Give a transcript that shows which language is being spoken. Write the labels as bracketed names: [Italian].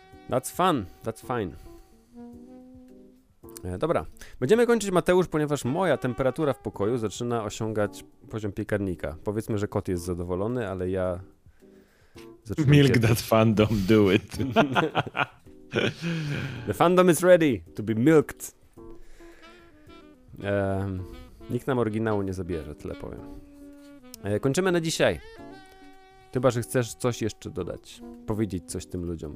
[English] That's fun, that's fine. [Polish] Dobra, będziemy kończyć, Mateusz, ponieważ moja temperatura w pokoju zaczyna osiągać poziom piekarnika. Powiedzmy, że kot jest zadowolony, ale ja... [English] Milk that fandom, do it. The fandom is ready to be milked. [Polish] Nikt nam oryginału nie zabierze, tyle powiem. Kończymy na dzisiaj. Chyba, że chcesz coś jeszcze dodać. Powiedzieć coś tym ludziom.